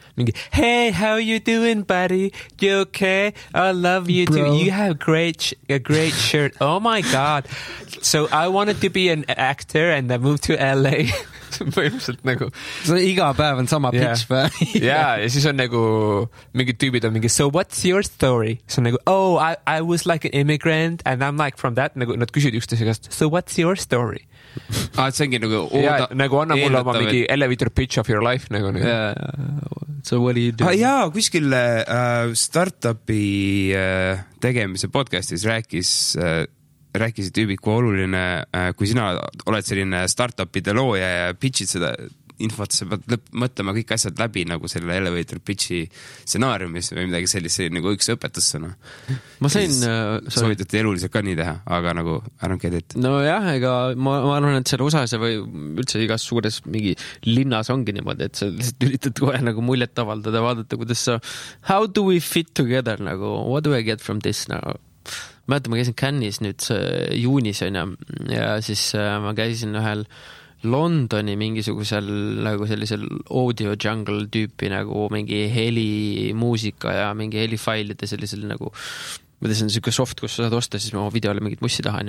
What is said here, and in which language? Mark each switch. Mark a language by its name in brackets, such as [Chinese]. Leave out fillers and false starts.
[English] Mingi, hey, how you doing, buddy? You okay? I love you too. You have a great shirt. Oh my god. So I wanted to be an actor and I moved to LA. [Estonian] Põhimõtteliselt nagu... See iga päev on sama yeah. pitch päev. Yeah, ja siis on nagu mingid tüübid on mingi, [English] so what's your story? [Estonian] See on nagu, [English] oh, I was like an immigrant and I'm like from that. [Estonian] Nagu, nad küsid üksteisest, [English] so what's your story? [Estonian] Ah, see ongi nagu... Yeah, nagu anna mulle oma mingi [English] elevator pitch of your life. [Estonian] Nagu, nagu. [English] Yeah. So what do you do? [Estonian] Ah, jah, kuskil startupi tegemise podcastis rääkis... rääkisid tüübid, kui oluline, kui sina oled selline startupide looja ja pitchid seda infot, sa pead mõtlema kõik asjad läbi nagu selle elevator pitchi senaariumis või midagi sellise nagu üks õpetussõna. Ma sain... soovitati eluliselt ka nii teha, aga nagu arvan keed ette. No jah, ega ma arvan, et seal usas või üldse igas suures mingi linnas ongi niimoodi, et sa lihtsalt üritad kohe nagu muljet avaldada ja vaadata, kuidas sa... [English] How do we fit together? Nagu, what do I get from this now? [Estonian] Mäletan, ma käisin Cannes nüüd juunis ja siis ma käisin ühel Londoni mingisugusel nagu sellisel audio jungle tüüpi nagu mingi heli muusika ja mingi heli failide sellisel nagu, mida see on selline soft, kus sa saad osta, siis ma videole mingit mussi taha.